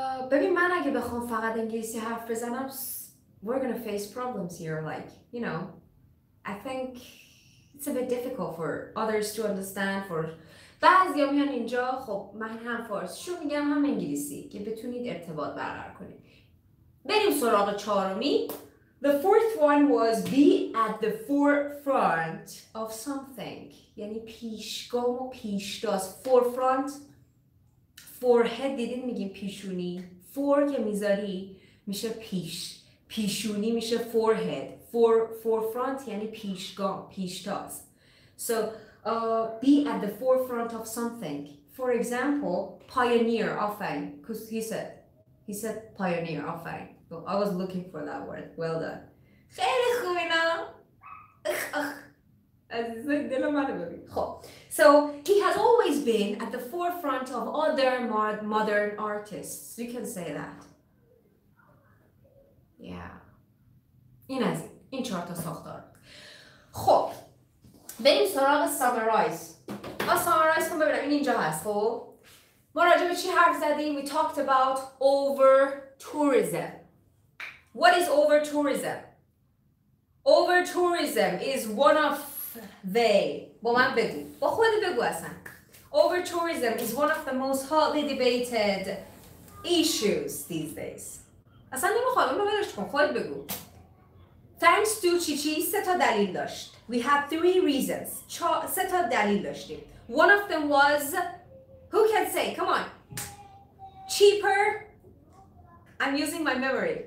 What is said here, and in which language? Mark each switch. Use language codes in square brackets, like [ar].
[fa] ببین من اگه بخوام فقط انگلیسی حرف بزنم [en] we're going to face problems here, like, you know, I think it's a bit difficult for others to understand. For [fa] بعضی ها میان اینجا، خب من هم فارسی شو میگم هم انگلیسی که بتونید ارتباط برقرار کنید. بریم سراغ چهارمی. [en] The fourth one was be at the forefront of something. [fa] یعنی پیشگام و پیشتاز. Forefront. Forehead دیدین میگیم پیشونی. For که میذاری میشه پیش. پیشونی میشه forehead. Forefront یعنی پیشگام، پیشتاز. [en] So be at the forefront of something. For example, pioneer. [fa] آفرین. [en] Because he said pioneer. آفرین. So I was looking for that word. Well done. [fa] خیلی خوبی نه؟ عزیزه دل منه ببین. خب. [en] So he has always been at the forefront of other modern artists. You can say that. Yeah. [fa] این از این چهار تا ساختار. خب بریم سراغ سامرایز. ما سامرایز کنم ببینم این اینجا هست. خب ما راجع به چی حرف زدیم؟ [en] We talked about over tourism. What is over tourism? Over tourism is one of they. [fa] با من بگو، با خود بگو اصلا. [en] Over tourism is one of the most hotly debated issues these days. [fa] اصلا نمیخوام اینو بدش کنم، خود بگو. [en] Thanks to Chichi, [fa] seta dalil dasht. [en] We have three reasons. [fa] Seta dalil dashtim. [en] One of them was, who can say? Come on. Cheaper. I'm using my memory.